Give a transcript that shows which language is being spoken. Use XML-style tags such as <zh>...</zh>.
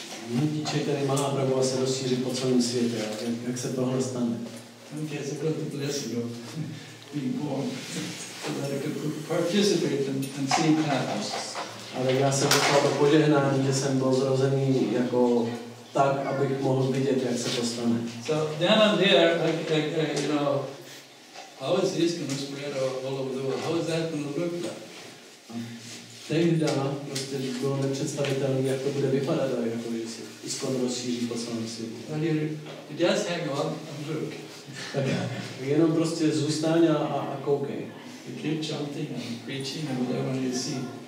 <cs>Hnutí Chaitanya Mahaprabhu se rozšíří po celém světě. Jak se tohle stane?</cs> <en>Okay, it's a good blessing of being born. So that I could participate and see it happen.</en> <cs>Ale já jsem dostal to požehnání, že jsem byl zrozený jako tak, abych mohl vidět, jak se to stane.</cs> <en>So then and there, you know, how is this going to spread all over the world? How is that going to look like?</en> <cs>Tehda prostě bylo nepředstavitelné, jak to bude vypadat, jako že se ISKCON rozšíří po celém světě.</cs> <en>You just hang on and look.</en> <cs>Tak jenom prostě zůstaň a koukej.</cs> <en>You keep chanting and preaching and whatever you see.</en>